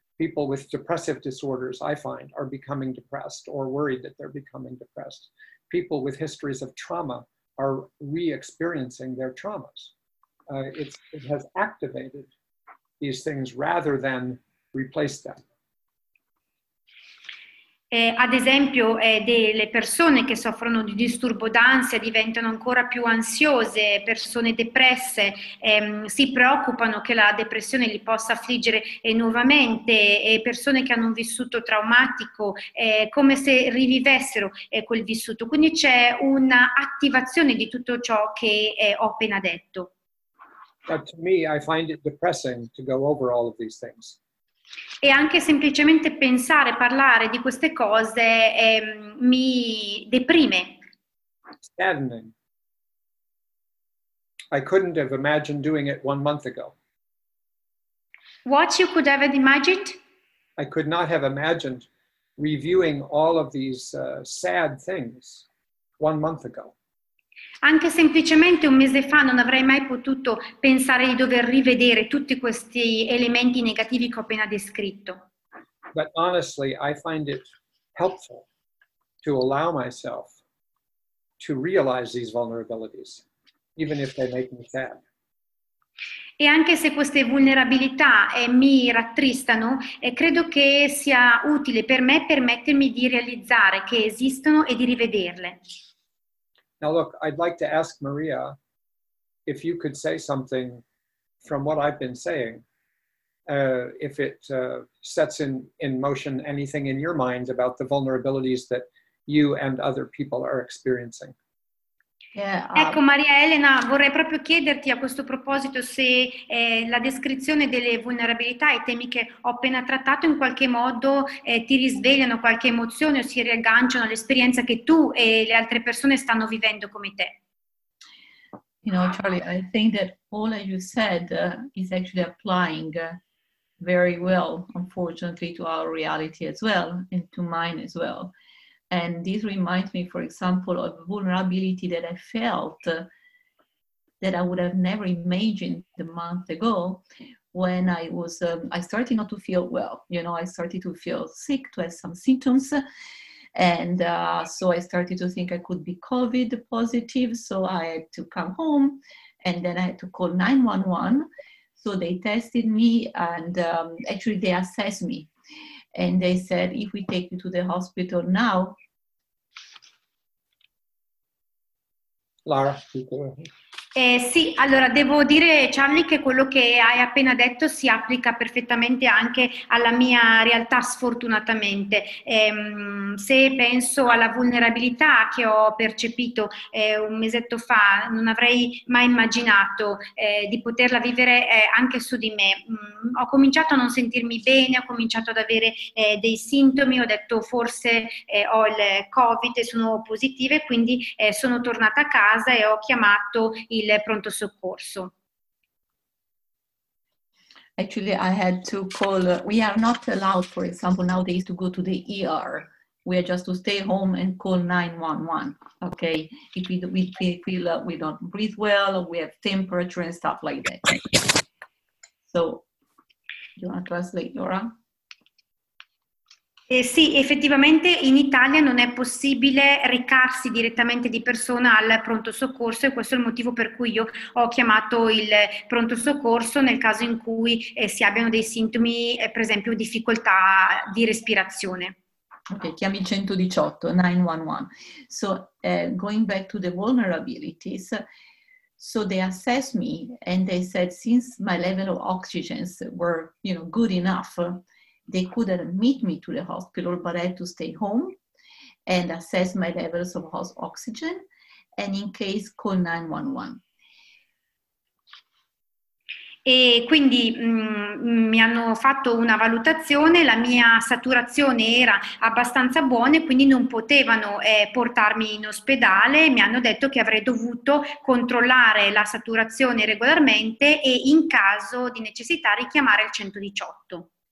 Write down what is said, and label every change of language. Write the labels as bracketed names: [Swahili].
[English] People with depressive disorders, I find, are becoming depressed or worried that they're becoming depressed. People with histories of trauma are re-experiencing their traumas. It has activated these things rather than replaced them. [Italian] Ad esempio, delle persone che soffrono di disturbo d'ansia diventano ancora più ansiose, persone depresse si preoccupano che la depressione li possa affliggere nuovamente, persone che hanno un vissuto traumatico, come se rivivessero quel vissuto. Quindi c'è un'attivazione di tutto ciò che ho appena detto. [English] But to me, I find it depressing to go over all of these things. [Italian] E anche semplicemente pensare, parlare di queste cose mi deprime. [English] Saddening. I couldn't have imagined doing it 1 month ago. What you could have imagined? I could not have imagined reviewing all of these sad things 1 month ago. [Italian] Anche semplicemente un mese fa non avrei mai potuto pensare di dover rivedere tutti questi elementi negativi che ho appena descritto. [English] But honestly, I find it helpful to allow myself to realize these vulnerabilities, even if they make me sad. [Italian] E anche se queste vulnerabilità mi rattristano, credo che sia utile per me permettermi di realizzare che esistono e di rivederle. [English] Now look, I'd like to ask Maria if you could say something from what I've been saying, if it sets in motion anything in your mind about the vulnerabilities that you and other people are experiencing. [Italian] Ecco Maria Elena, vorrei proprio chiederti a questo proposito se la descrizione delle vulnerabilità e temi che ho appena trattato in qualche modo ti risvegliano qualche emozione o si riagganciano all'esperienza che tu e le altre persone stanno vivendo come te. [English] You know, Charlie, I think that all that you said is actually applying very well, unfortunately, to our reality as well and to mine as well. And this reminds me, for example, of a vulnerability that I felt that I would have never imagined a month ago when I was, I started not to feel well. You know, I started to feel sick, to have some symptoms. And so I started to think I could be COVID positive. So I had to come home and then I had to call 911. So they tested me and actually they assessed me. And they said, if we take you to the hospital now, Lara. [Italian] Sì, allora devo dire Charlie che quello che hai appena detto si applica perfettamente anche alla mia realtà sfortunatamente. Se penso alla vulnerabilità che ho percepito un mesetto fa, non avrei mai immaginato di poterla vivere anche su di me. Ho cominciato a non sentirmi bene, ho cominciato ad avere dei sintomi, ho detto forse ho il COVID e sono positiva, quindi sono tornata a casa e ho chiamato il pronto soccorso. [English] Actually, I had to call. We are not allowed, for example, nowadays to go to the ER. We are just to stay home and call 911. Okay, if we feel we don't breathe well, or we have temperature and stuff like that. So, you want to translate, Laura? [Italian] Sì, effettivamente in Italia non è possibile recarsi direttamente di persona al pronto soccorso e questo è il motivo per cui io ho chiamato il pronto soccorso nel caso in cui si abbiano dei sintomi, per esempio difficoltà di respirazione. Ok, chiami 118, 911. [English] So, going back to the vulnerabilities, so they assessed me and they said since my level of oxygen were, you know, good enough, they could admit me to the hospital, but I had to stay home and assess my levels of oxygen, and in case, call 911. [Italian] E quindi mi hanno fatto una valutazione, la mia saturazione era abbastanza buona e quindi non potevano portarmi in ospedale, mi hanno detto che avrei dovuto controllare la saturazione regolarmente e in caso di necessità richiamare il 118.